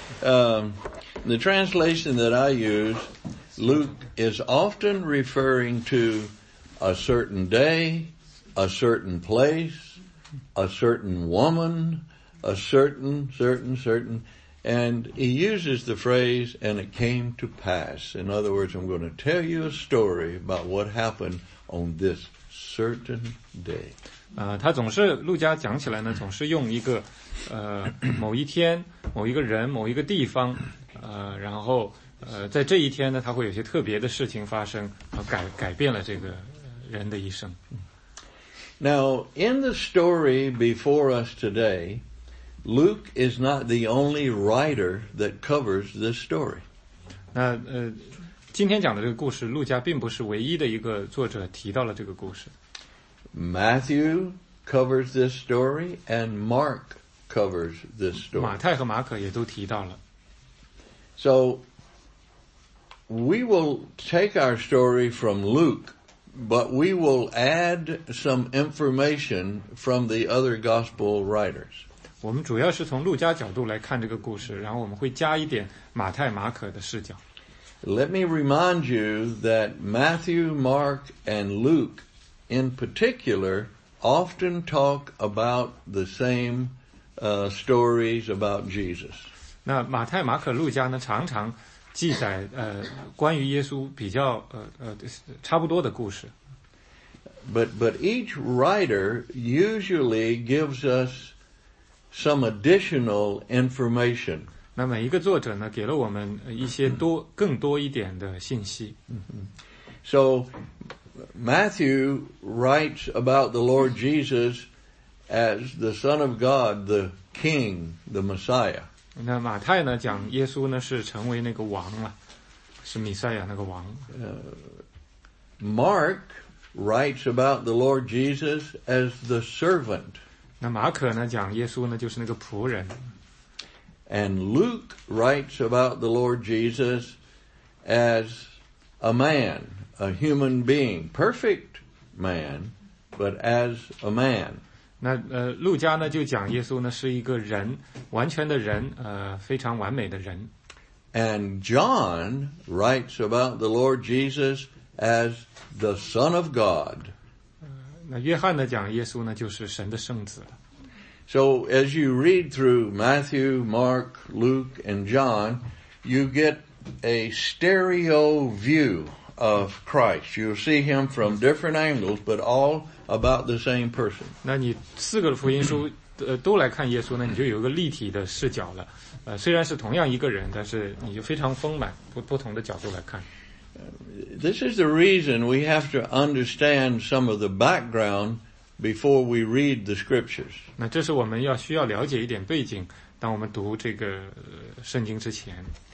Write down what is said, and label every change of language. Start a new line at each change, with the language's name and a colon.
English: The translation that I use, Luke is often referring to a certain day, a certain place, a certain woman, a certain, and he uses the phrase, and it came to pass. In other words, I'm going to tell you a story about what happened on this certain day.
Chinese: 他总是路加讲起来呢，总是用一个某一天、某一个人、某一个地方，然后在这一天呢，他会有些特别的事情发生，改变了这个人的一生。
English: Now, in the story before us today, Luke is not the only writer that covers this story.
Chinese: 那今天讲的这个故事，路加并不是唯一的一个作者提到了这个故事。
English: Matthew covers this story, and Mark covers this story.
Chinese: 马太和马可也都提到了。
English: So, we will take our story from Luke, but we will add some information from the other gospel writers.
Chinese: 我们主要是从路加角度来看这个故事，然后我们会加一点马太、马可的视角。
English: Let me remind you that Matthew, Mark, and Luke, in particular, often talk about the same, stories about Jesus.
Chinese: 那马太、马可、路加呢，常常记载关于耶稣比较差不多的故事。
English: But each writer usually gives us some additional information.
Chinese: 那每一个作者呢，给了我们一些多更多一点的信息。
English: So Matthew writes about the Lord Jesus as the Son of God, the King, the Messiah.
Chinese: 那马太呢，讲耶稣呢是成为那个王了，是弥赛亚那个王。
English: Mark writes about the Lord Jesus as the servant.
Chinese: 那马可呢，讲耶稣呢就是那个仆人。
English: And Luke writes about the Lord Jesus as a man, a human being, perfect man, but as a man.
Chinese: 那路加呢就讲耶稣呢是一个人，完全的人，非常完美的人。
English: And John writes about the Lord Jesus as the Son of God.
Chinese: 那约翰呢讲耶稣呢就是神的圣子。
English: So as you read through Matthew, Mark, Luke, and John, you get a stereo view of Christ. You'll see him from different angles, but all about the same person.
Chinese: 那你四个福音书都来看耶稣呢，你就有一个立体的视角了。虽然是同样一个人，但是你就非常丰满，不同的角度来看。
English: This is the reason we have to understand some of the background before we read the scriptures.
Chinese: 那这是我们要需要了解一点背景，当我们读这个圣经之前。